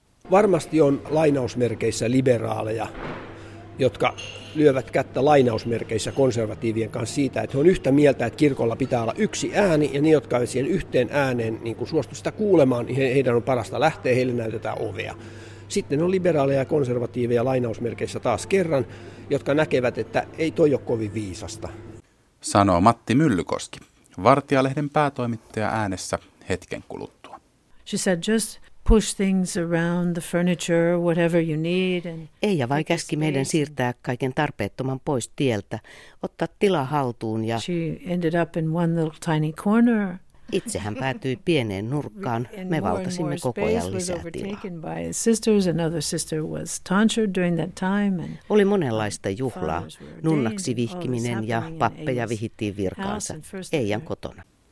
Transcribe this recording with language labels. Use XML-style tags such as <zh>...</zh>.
<fi>Varmasti on lainausmerkeissä liberaaleja, jotka lyövät kättä lainausmerkeissä konservatiivien kanssa siitä, että he on yhtä mieltä, että kirkolla pitää olla yksi ääni, ja ne, jotka ovat siihen yhteen ääneen niin kun suostu sitä kuulemaan, niin heidän on parasta lähteä, heille näytetään ovea. Sitten on liberaaleja ja konservatiiveja lainausmerkeissä taas kerran, jotka näkevät, että ei toi ole kovin viisasta. Sanoo Matti Myllykoski, Vartijalehden päätoimittaja äänessä hetken kuluttua.</fi> <en>She said just push things around the furniture, whatever you need.</en> <fi>Eija vai käski meidän siirtää kaiken tarpeettoman pois tieltä, ottaa tila haltuun ja...</fi> <en>She ended up in one little tiny corner.</en> <fi>Itse hän päätyi pieneen nurkkaan. Me valtasimme koko ajan lisää tilaa. Oli monenlaista juhlaa. Nunnaksi vihkiminen ja pappeja vihittiin virkaansa. Eijan kotona.</fi>